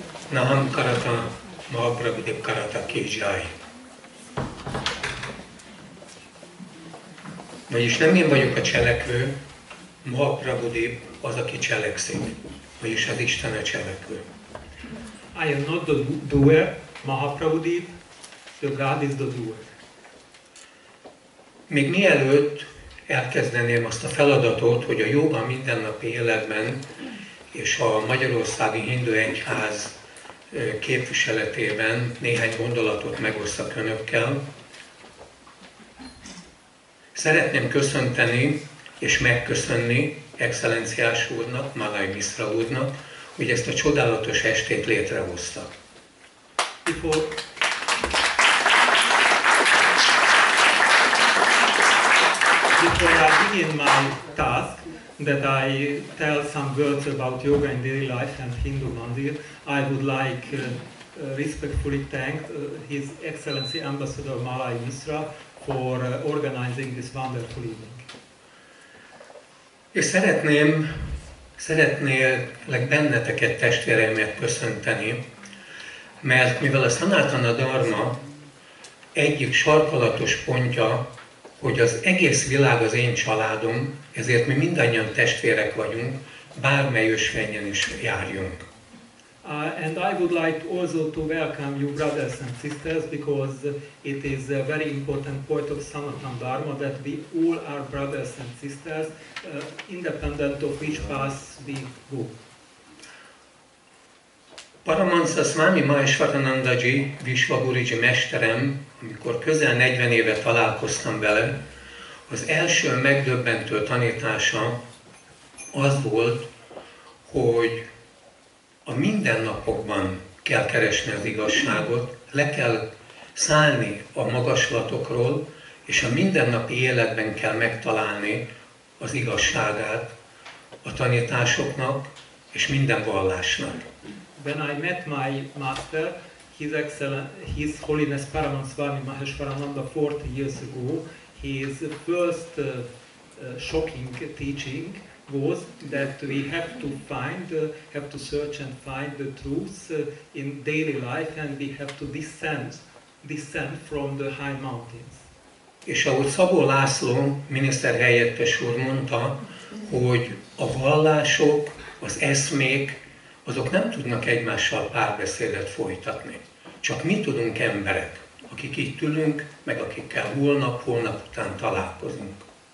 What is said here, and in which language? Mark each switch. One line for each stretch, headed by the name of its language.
Sanskrit: Naham Karata, Mahaprabhudev Karata Kejjai.
Hungarian: Vagyis nem én vagyok a cselekvő, Mahaprabhudev az, aki cselekszik. Vagyis az Isten a cselekvő.
English: I am not the doer, Mahaprabhudev, the God is the doer.
Hungarian: Még mielőtt elkezdeném azt a feladatot, hogy a jóga mindennapi életben és a magyarországi hindu egyház képviseletében néhány gondolatot megosszak önökkel, szeretném köszönteni és megköszönni Excellenciás úrnak, Malay Misra úrnak, hogy ezt a csodálatos estét létrehozta.
English: Before I begin my task, that I tell some words about yoga in daily life and Hindu Mandir, I would like respectfully thank His Excellency Ambassador Malay Misra for organizing this wonderful evening.
Hungarian: És szeretnélek benneteket, testvéreimet köszönteni, mert mivel a Sanatana Dharma egyik sarkalatos pontja, hogy az egész világ az én családom, ezért mi mindannyian testvérek vagyunk, bármely ösvényen is járjunk.
English: And I would like also to welcome you, brothers and sisters, because it is a very important point of Sanatana Dharma that we all are brothers and sisters, independent of which path we go.
Hungarian: Paramahansa Swami Maheshwarananda ji, Vishwa Guru ji mesterem, amikor közel 40 éve találkoztam vele, az első megdöbbentő tanítása az volt, hogy a mindennapokban kell keresni az igazságot, le kell szállni a magaslatokról, és a mindennapi életben kell megtalálni az igazságát a tanításoknak és minden vallásnak.
English: When I met my master, His Holiness Paramahansa Maheshwarananda 40 years ago, his first shocking teaching was that we have to find, have to search and find the truths in daily life, and we have to descend from the high mountains.
Hungarian: És ahogy Szabó László miniszterhelyettes úr mondta, hogy a vallások, az eszmék, azok nem tudnak egymással párbeszédet folytatni. Csak mi tudunk emberek, akik itt ülünk, meg akikkel holnap után találkozunk.